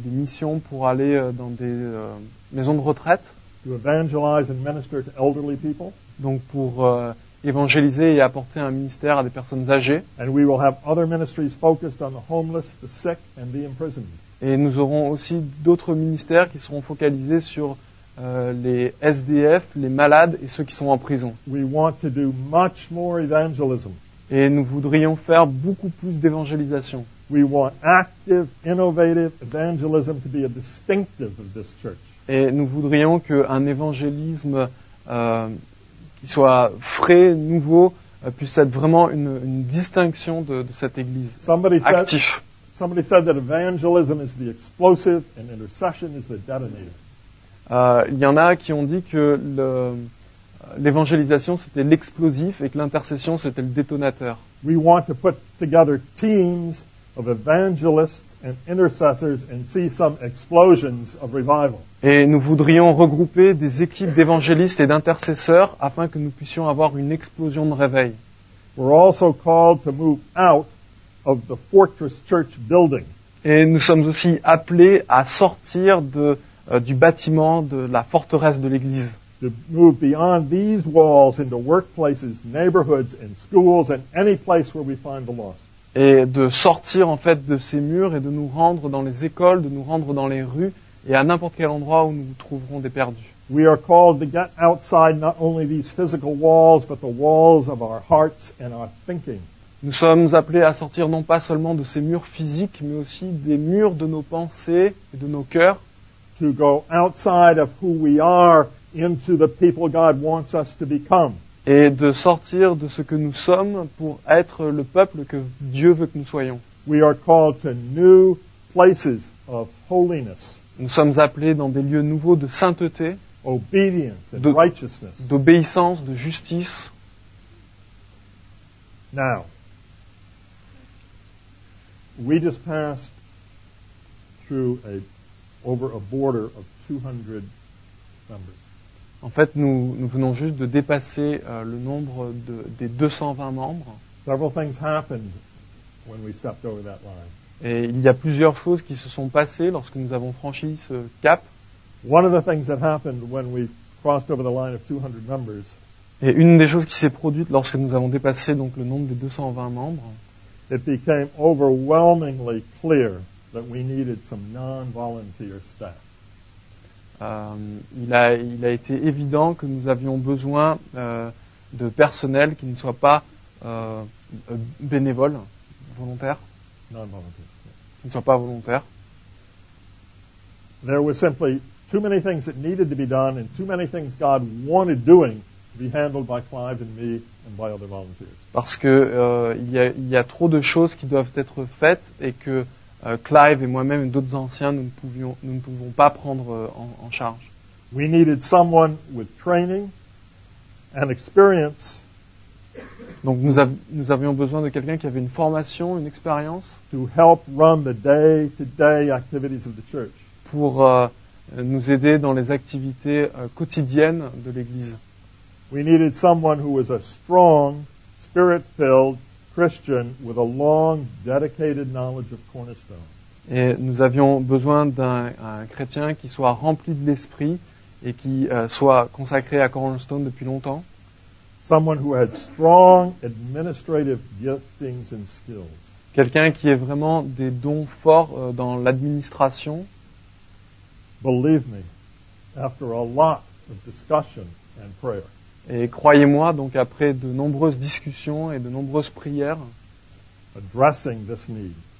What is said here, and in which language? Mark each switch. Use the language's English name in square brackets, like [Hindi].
[French] missions pour aller dans des maisons de retraite. [English] To evangelize and minister to elderly people. [French] Donc pour évangéliser et apporter un ministère à des personnes âgées. [English] And we will have other ministries focused on the homeless, the sick, and the imprisoned. [French] Et nous aurons aussi d'autres ministères qui seront focalisés sur les SDF, les malades et ceux qui sont en prison. [English] We want to do much more evangelism. [French] Et nous voudrions faire beaucoup plus d'évangélisation. [English] We want active, innovative evangelism to be a distinctive of this church. [French] Et nous voudrions qu'un évangélisme qui soit frais, nouveau, puisse être vraiment une distinction de cette église active. [English] Somebody said that evangelism is the explosive and intercession is the detonator. [French] Il y en a qui ont dit que l'évangélisation c'était l'explosif et que l'intercession c'était le détonateur. [English] We want to put together teams of evangelists and intercessors and see some explosions of revival. [French] Et nous voudrions regrouper des équipes d'évangélistes et d'intercesseurs afin que nous puissions avoir une explosion de réveil. [English] We're also called to move out of the fortress church building. [French] Et nous sommes aussi appelés à sortir du bâtiment de la forteresse de l'église. [English] To move beyond these walls into workplaces, neighborhoods and schools and any place where we find the lost. [French] Et de sortir en fait de ces murs et de nous rendre dans les écoles, de nous rendre dans les rues et à n'importe quel endroit où nous trouverons des perdus. [English] We are called to get outside not only these physical walls but the walls of our hearts and our thinking. [French] Nous sommes appelés à sortir non pas seulement de ces murs physiques, mais aussi des murs de nos pensées et de nos cœurs. [English] To go outside of who we are into the people God wants us to become. [French] Et de sortir de ce que nous sommes pour être le peuple que Dieu veut que nous soyons. [English] We are called to new places of holiness. [French] Nous sommes appelés dans des lieux nouveaux de sainteté, [English] obedience and righteousness. [French] D'obéissance, de justice. [English] Now, we just passed through over a border of 200 members. [French] En fait, nous venons juste de dépasser le nombre des 220 membres. [English] Several things happened when we stepped over that line. [French] Et il y a plusieurs choses qui se sont passées lorsque nous avons franchi ce cap. [English] One of the things that happened when we crossed over the line of 200 members. [French] Et une des choses qui s'est produite lorsque nous avons dépassé donc le nombre des 220 membres. [English] It became overwhelmingly clear that we needed some non-volunteer staff. [French] Il a été évident que nous avions besoin de personnel qui ne soit pas bénévole, volontaire. Non-volontaire. Qui ne soit pas volontaire. [English] There were simply too many things that needed to be done and too many things God wanted doing to be handled by Clive and me and by other volunteers. [French] Parce que il y a trop de choses qui doivent être faites et que Clive et moi-même et d'autres anciens, nous ne pouvons pas prendre en charge. [English] We needed someone with training and experience. [French] Donc nous avions besoin de quelqu'un qui avait une formation, une expérience. [English] To help run the day-to-day activities of the church. [French] Pour nous aider dans les activités quotidiennes de l'église. [English] We needed someone who was a strong, spirit-filled Christian with a long, dedicated knowledge of Cornerstone. [French] Et nous avions besoin d'un chrétien qui soit rempli de l'esprit et qui soit consacré à Cornerstone depuis longtemps. [English] Someone who had strong administrative giftings and skills. [French] Quelqu'un qui ait vraiment des dons forts dans l'administration. [English] Believe me, after a lot of discussion and prayer. [French] Et croyez-moi, donc après de nombreuses discussions et de nombreuses prières, [English] addressing this need.